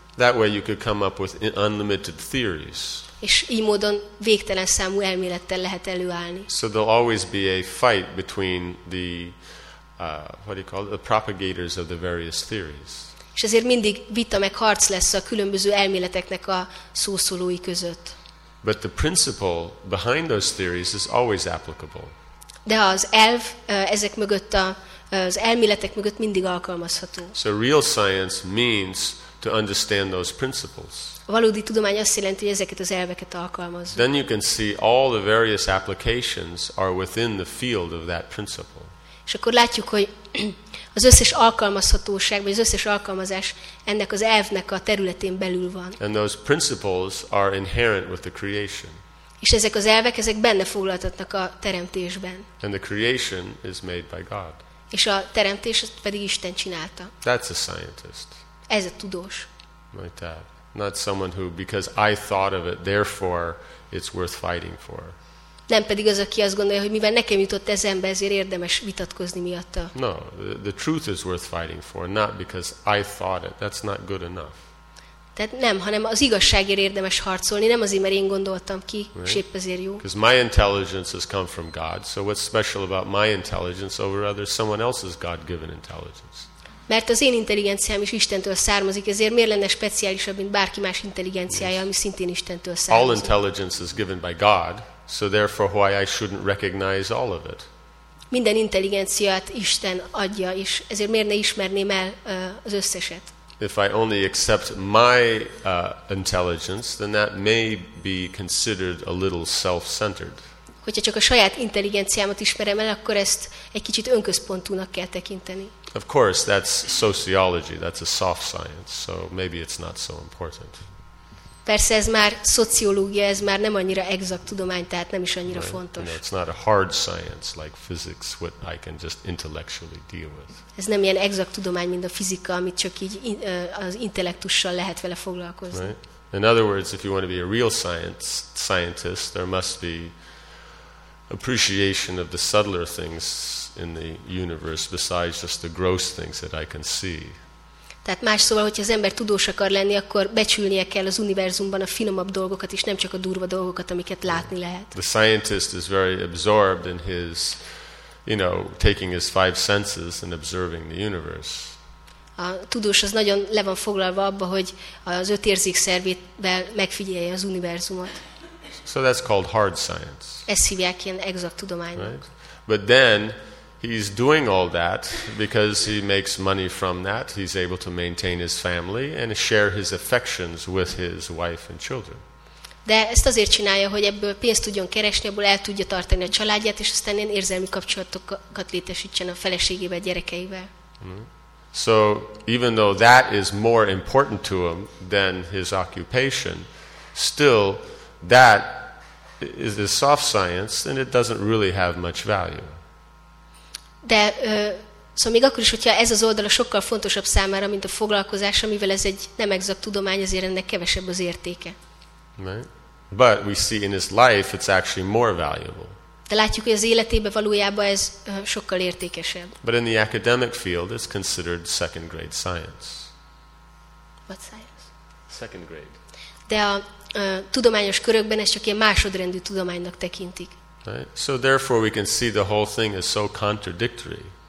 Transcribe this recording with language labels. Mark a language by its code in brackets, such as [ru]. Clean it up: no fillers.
[en] That way you could come up with unlimited theories. [hu] És így módon végtelen számú elmélettel lehet előállni. [en] So there'll always be a fight between the what do you call it, the propagators of the various theories. [hu] És ezért mindig vita meg harc lesz a különböző elméleteknek a szószólói között. [en] But the principle behind those theories is always applicable. [hu] De az elv ezek mögött az elméletek mögött mindig alkalmazható. [en] So real science means to understand those principles. [hu] A valódi tudomány azt jelenti, hogy ezeket az elveket alkalmazza. [en] Then you can see all the various applications are within the field of that principle. [hu] És akkor látjuk, hogy az összes alkalmazhatóság vagy az összes alkalmazás ennek az elvnek a területén belül van. [en] And those principles are inherent with the creation. [hu] És ezek az elvek, ezek benne foglaltatnak a teremtésben. [en] And the creation is made by God. [hu] És a teremtés azt pedig Isten csinálta. [en] That's a scientist. [hu] Ez a tudós. [en] Like that. Not someone who, because I thought of it, therefore it's worth fighting for. [hu] Nem pedig az, aki azt gondolja, hogy mivel nekem jutott ezenbe, ezért érdemes vitatkozni miatta. [en] No, the truth is worth fighting for, not because I thought it. That's not good enough. [hu] Tehát nem, hanem az igazságért érdemes harcolni, nem azért, mert én gondoltam ki, és épp ezért jó. [en] Because my intelligence has come from God, so what's special about my intelligence over others, someone else's God-given intelligence? [hu] Mert az én intelligenciám is Istentől származik, ezért miért lenne speciálisabb, mint bárki más intelligenciája, ami szintén Istentől származik? [en] All intelligence is given by God, so therefore why I shouldn't recognize all of it. [hu] Minden intelligenciát Isten adja, és ezért miért ne ismerném el az összeset? [en] If I only accept my intelligence, then that may be considered a little self-centered. [hu] Hogyha csak a saját intelligenciámat ismerem el, akkor ezt egy kicsit önközpontúnak kell tekinteni. [en] Of course, that's sociology, that's a soft science, so maybe it's not so important. [hu] Persze ez már szociológia, ez már nem annyira exakt tudomány, tehát nem is annyira fontos. [en] You know, it's not a hard science like physics, what I can just intellectually deal with. [hu] Ez nem ilyen exakt tudomány, mint a fizika, amit csak így az intellektussal lehet vele foglalkozni. [en] Right? In other words, if you want to be a real scientist, there must be appreciation of the subtler things in the universe besides just the gross things that I can see. [hu] Tehát más szóval, hogyha az ember tudós akar lenni, akkor becsülnie kell az univerzumban a finomabb dolgokat, és nem csak a durva dolgokat, amiket látni lehet. [en] The scientist is very absorbed in his, you know, taking his five senses and observing the universe. [hu] A tudós az nagyon le van foglalva abba, hogy az öt érzékszervével megfigyelje az univerzumot. [en] So that's called hard science. [hu] Ezt hívják ilyen exakt tudománynak. [en] Right? But then he's doing all that because he makes money from that. He's able to maintain his family and share his affections with his wife and children. [hu] De ezt azért csinálja, hogy ebből pénzt tudjon keresni, ebből el tudja tartani a családját, és aztán ilyen érzelmi kapcsolatokat létesítsen a feleségével, gyerekeivel. [en] So even though that is more important to him than his occupation, still that is a soft science and it doesn't really have much value. [hu] De Szóval még akkor is, hogyha ez az oldala sokkal fontosabb számára, mint a foglalkozás, amivel ez egy nem exakt tudomány, azért ennek kevesebb az értéke. [en] Right. But we see in his life it's actually more valuable. [hu] De látjuk, hogy az életében valójában ez sokkal értékesebb. [en] But in the academic field it's considered second grade science. What science? Second grade. [hu] De a tudományos körökben ez csak ilyen másodrendű tudománynak tekintik. [en] Right. So therefore we can see the whole thing is so contradictory.